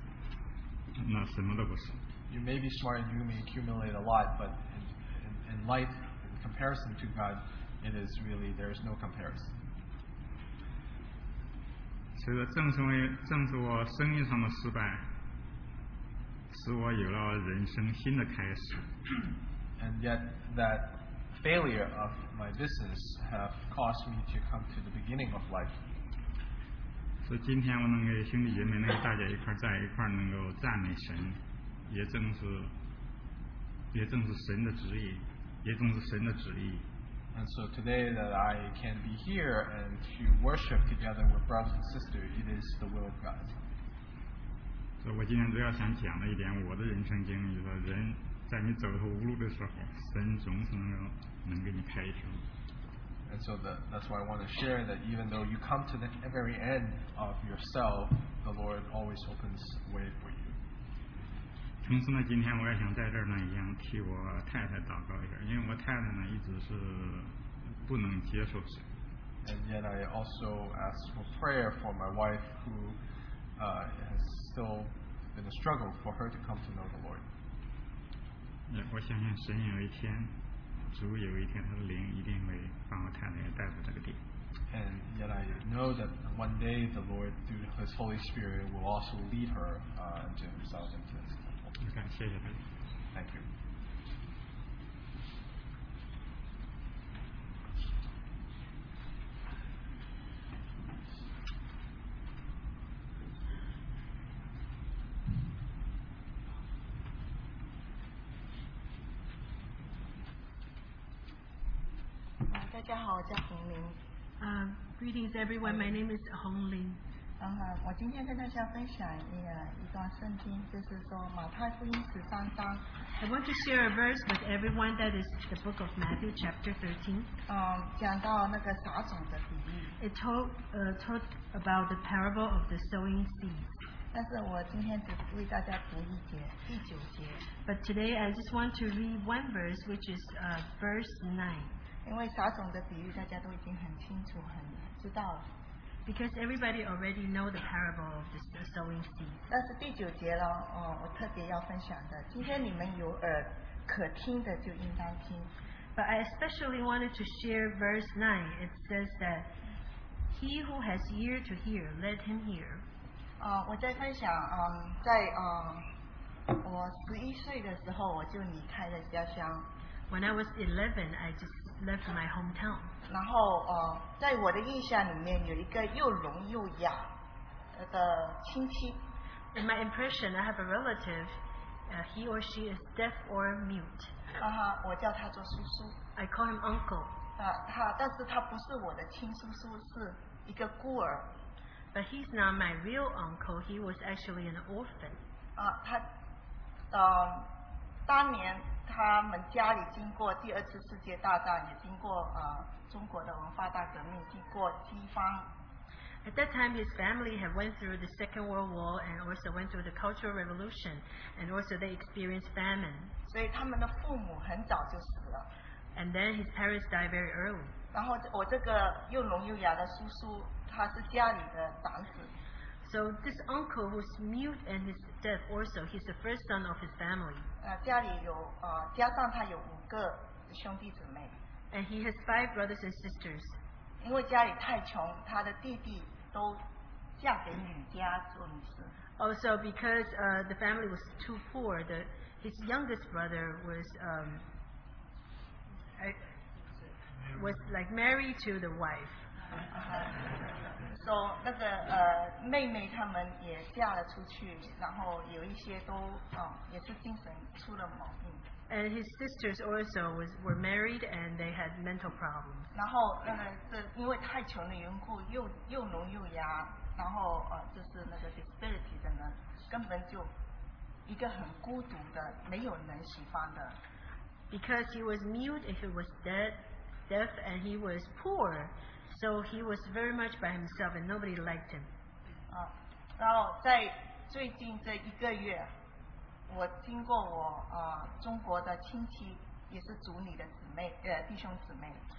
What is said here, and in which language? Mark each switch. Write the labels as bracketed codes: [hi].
[zh] 人所谓的聪明，人知道了一点东西，人学了一点东西。不管你再聪明，你接触了一点东西，与神相比的话，那什么都不是。 [en] You may be smart and you may accumulate a lot, but in light, in comparison to God, it is really, there is no comparison. [zh] 所以说正是我生意上的失败， 使我有了人生新的开始。 [en] And yet that failure of my business have caused me to come to the beginning of life. [zh] 所以今天我能给兄弟姐妹那个大家一块在一块能够赞美神，也正是也正是神的旨意，也正是神的旨意。 [en] And so today that I can be here and to worship together with brothers and sisters, it is the will of God. So [zh] 我今天主要想讲的一点，我的人生经历的人。在你走投无路的时候，神总是能给你开一条。 [en] And so that's why I want to share that even though you come to the very end of yourself, the Lord always opens way for you. [zh] 同时呢，今天我也想在这儿呢，一样替我太太祷告一下，因为我太太呢一直是不能接受神。 [en] And yet I also ask for prayer for my wife, who has still been a struggle for her to come to know the Lord. [zh] 我相信神有一天，主有一天，他的灵一定会把我太太也带到这个地。 [en] And yet I know that one day the Lord, through His Holy Spirit, will also lead her into Himself into this temple. [zh] 感谢你。 [en] Thank you. [zh] 大家好，我叫红林。 [en] Greetings everyone, my name is Hong Lin. [zh] 我今天跟大家分享一段圣经，就是说马太福音十三章。 [en] I want to share a verse with everyone that is the book of Matthew chapter 13. [zh] 讲到那个撒种的比喻。 [en] It told about the parable of the sowing seeds. [zh] 但是我今天只为大家读一节，第九节。 [en] But today I just want to read one verse, which is verse 9. [zh] 因为撒种的比喻大家都已经很清楚很知道了 [en] Because everybody already know the parable of the sowing seed. [zh] 那是第九节了、哦、我特别要分享的今天你们有耳可听的就应当听 [en] But I especially wanted to share verse 9. It says that He who has ear to hear, let him hear. [zh] 我在分享、在、我十一岁的时候我就离开了家乡 [en] When I was 11, I justLeft my hometown. [zh] 然后、在我的印象里面有一个又聋又哑的亲戚。 [en] In my impression, I have a relative,、he or she is deaf or mute.、 [zh] 我叫他做叔叔。 [en] I call him uncle.、 [zh] 但是他不是我的亲叔叔，是一个孤儿。 [en] But he's not my real uncle. He was actually an orphan.、 [zh] 他、当年。他们家里经过第二次世界大战，也经过、中国的文化大革命，经过饥荒。 [en] At that time, his family had went through the Second World War and also went through the Cultural Revolution, and also they experienced famine. [zh] 所以他们的父母很早就死了。 [en] And then his parents died very early. [zh] 然后我这个又聋又哑的叔叔，他是家里的长子。 [en] So this uncle who's mute and is deaf also, he's the first son of his family. [zh] 家里有、加上他有五个兄弟姊妹。 [en] And he has five brothers and sisters. [zh] 因为家里太穷，他的弟弟都嫁给女家做女士。 [en] Also because、the family was too poor, his youngest brother was like married to the wife. So [zh] 那个妹妹他们也嫁了出去，然后有一些都也是精神出了毛病。 [en] And his sisters also were married and they had mental problems. [zh] 然后那个是因为太穷的缘故，又聋又哑，然后就是那个 disability 的人，根本就一个很孤独的，没有人喜欢的。 [en] Because he was mute and he was deaf and he was poor. So he was very much by himself and nobody liked him. [zh] 然后在最近这一个月我经过我、中国的亲戚也是族里的姊妹、弟兄姊妹。